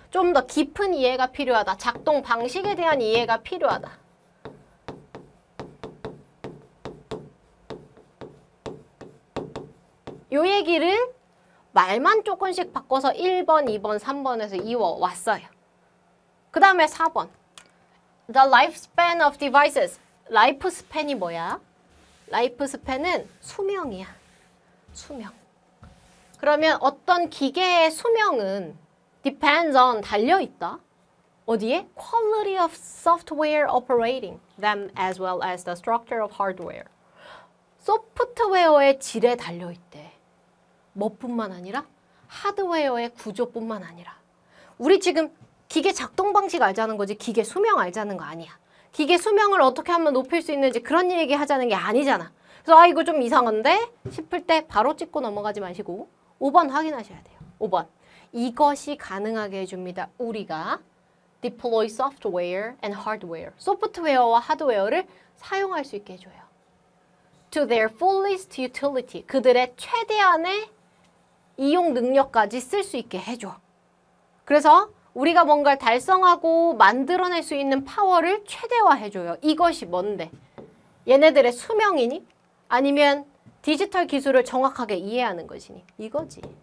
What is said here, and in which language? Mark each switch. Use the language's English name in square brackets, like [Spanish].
[Korean] 좀 더 깊은 이해가 필요하다. 작동 방식에 대한 이해가 필요하다. 요 얘기를 말만 조금씩 바꿔서 1번, 2번, 3번에서 이어왔어요. 그 다음에 4번. [English] The lifespan of devices. [Korean] 라이프스팬이 뭐야? 라이프스팬은 수명이야. 수명. 그러면 어떤 기계의 수명은 [English] depends on, [Korean] 달려있다. 어디에? [English] Quality of software operating them as well as the structure of hardware. [Korean] 소프트웨어의 질에 달려있대. 뭐뿐만 아니라? 하드웨어의 구조뿐만 아니라. 우리 지금 기계 작동 방식 알자는 거지 기계 수명 알자는 거 아니야. 기계 수명을 어떻게 하면 높일 수 있는지 그런 얘기 하자는 게 아니잖아. 그래서 아 이거 좀 이상한데? 싶을 때 바로 찍고 넘어가지 마시고 5번 확인하셔야 돼요. 5번. 이것이 가능하게 해줍니다. 우리가 [English] deploy software and hardware. [Korean] 소프트웨어와 하드웨어를 사용할 수 있게 해줘요. [English] To their fullest utility. [Korean] 그들의 최대한의 이용 능력까지 쓸 수 있게 해줘. 그래서 우리가 뭔가를 달성하고 만들어낼 수 있는 파워를 최대화해줘요. 이것이 뭔데? 얘네들의 수명이니? 아니면 디지털 기술을 정확하게 이해하는 것이니? 이거지.